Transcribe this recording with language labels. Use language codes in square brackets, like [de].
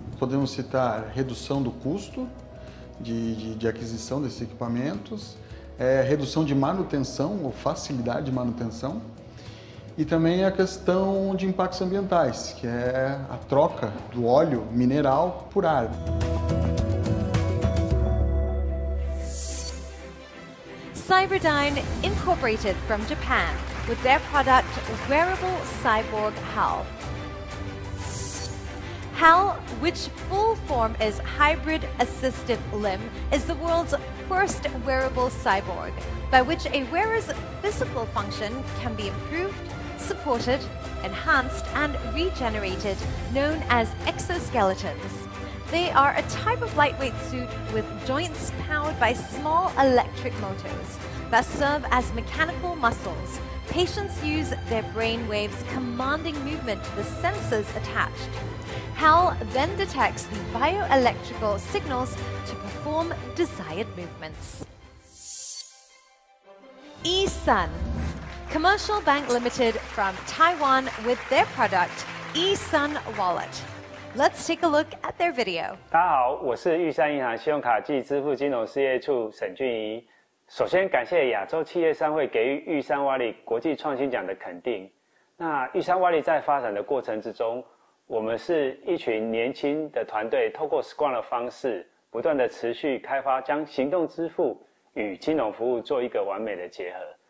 [pt] Podemos citar redução do custo de aquisição desses equipamentos, redução de manutenção ou facilidade de manutenção e também a questão de impactos ambientais, que é a troca do óleo mineral por ar. [en] Cyberdyne Incorporated from Japan with their product Wearable Cyborg HAL. HAL, which full form is Hybrid Assistive Limb, is the world's first wearable cyborg by which a wearer's physical function can be improved, supported, enhanced, and regenerated, known as exoskeletons. They are a type of lightweight suit with joints powered by small electric motors that serve as mechanical muscles. Patients use their brain waves commanding movement to the sensors attached. HAL then detects the bioelectrical signals to perform desired movements. E-Sun, Commercial Bank Limited from Taiwan, with their product E-Sun Wallet. Let's take a look at their video. [zh] 大家好，我是玉山银行信用卡暨支付金融事业处沈俊仪。首先感谢亚洲企业商会给予玉山 Wallet 国际创新奖的肯定。那玉山 Wallet 在发展的过程之中，我们是一群年轻的团队，透过 Scrum 的方式，不断的持续开发，将行动支付与金融服务做一个完美的结合。